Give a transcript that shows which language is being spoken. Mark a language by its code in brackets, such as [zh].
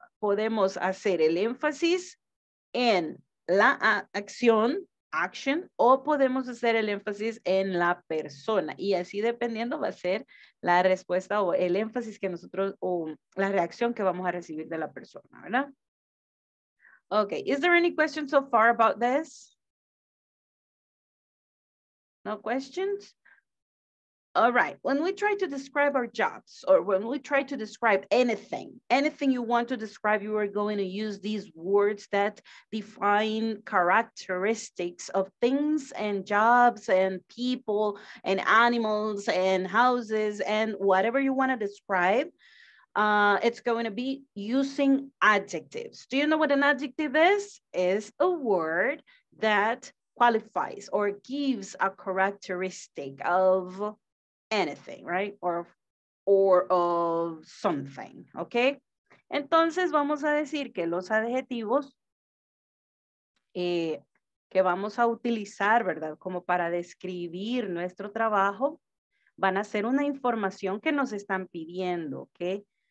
[es] Podemos hacer el énfasis en la acción, action, o podemos hacer el énfasis en la persona. Y así dependiendo va a ser la respuesta o el énfasis que nosotros, o la reacción que vamos a recibir de la persona, ¿verdad? [en] Okay, is there any questions so far about this? No questions? All right, when we try to describe our jobs or when we try to describe anything, anything you want to describe, you are going to use these words that define characteristics of things and jobs and people and animals and houses and whatever you want to describe. It's going to be using adjectives. Do you know what an adjective is? It's a word that qualifies or gives a characteristic of anything, right? Or of something, okay? [es] Entonces vamos a decir que los adjetivos que vamos a utilizar, ¿verdad? Como para describir nuestro trabajo, van a ser una información que nos están pidiendo, ¿okay?